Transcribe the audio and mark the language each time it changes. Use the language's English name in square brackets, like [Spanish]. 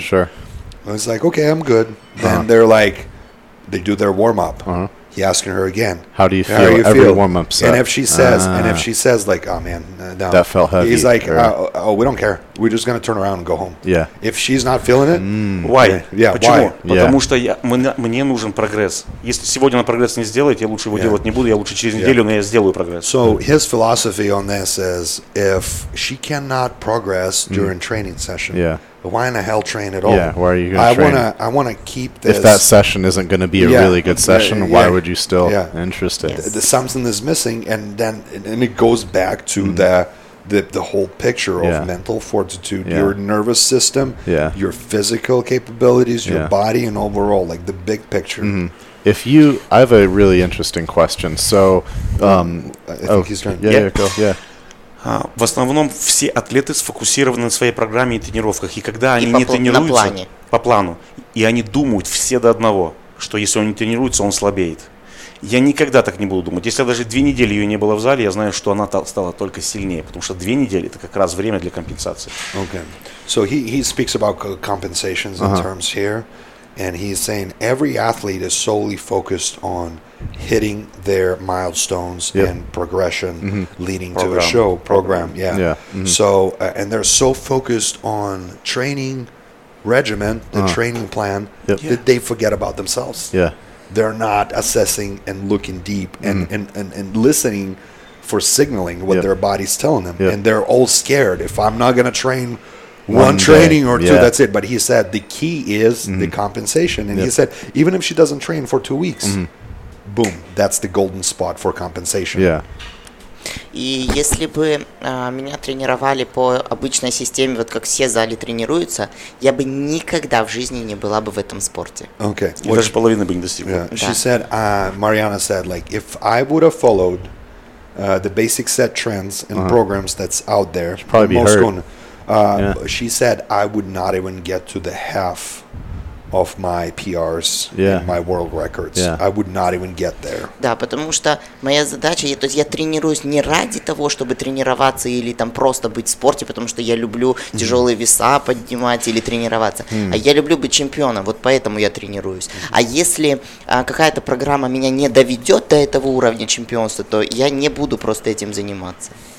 [English] Sure. And it's like, okay, I'm good. Then they're like, they do their warm up. He asking her again, how do you feel you every warm up set? And if she says like, oh man, no. That felt heavy. He's like, oh, we don't care. We're just going to turn around and go home. Yeah. If she's not feeling it, why? Yeah, [Russian] почему? [English] Why? [Russian] Потому что мне нужен прогресс. Если сегодня она прогресс не сделает, я лучше его делать не буду, я лучше через неделю, но я сделаю прогресс. [English] So his philosophy on this is, if she cannot progress during training session, why in the hell train at all? Yeah, why are you going to train? I want to keep this. If that session isn't going to be a really good session, why would you still? Yeah. Interesting. Something is missing, and then and it goes back to the whole picture of mental fortitude, your nervous system, your physical capabilities, your body, and overall, like the big picture. Mm-hmm. If you, I have a really interesting question. So, I think he's trying. Go. Yeah. [Russian] В основном все атлеты сфокусированы на своей программе и тренировках. И когда они и не тренируются по плану, и они думают все до одного, что если он не тренируется, он слабеет. Я никогда так не буду думать. Если даже 2 недели ее не было в зале, я знаю, что она стала только сильнее. Потому что 2 недели – это как раз время для компенсации. [English] Okay. So he speaks about compensations in terms here. And he's saying every athlete is solely focused on hitting their milestones and progression leading program. To a show program. So, and they're so focused on training regimen, the training plan, that they forget about themselves. Yeah. They're not assessing and looking deep and listening for signaling what their body's telling them. Yep. And they're all scared. If I'm not going to train one training or two, that's it. But he said the key is the compensation. And he said, even if she doesn't train for 2 weeks, boom, that's the golden spot for compensation. Yeah. [Russian] И если бы меня тренировали по обычной системе, вот как все зали тренируются, я бы никогда в жизни не была бы в этом спорте. [English] Okay. [Russian] Well, даже половины бы не достигла. [English] Yeah. She said, Mariana said, like, if I would have followed the basic set trends and programs that's out there, she'd probably be hurt. She said, I would not even get to the half of my PRs and my world records. Yeah. I would not even get there. [Russian] Да, потому что моя задача, то есть я тренируюсь не ради того, чтобы тренироваться или там просто быть в спорте, потому что я люблю тяжелые веса поднимать или тренироваться, а я люблю быть чемпионом, вот поэтому я тренируюсь. А если какая-то программа меня не доведет до этого уровня чемпионства, то я не буду просто этим заниматься.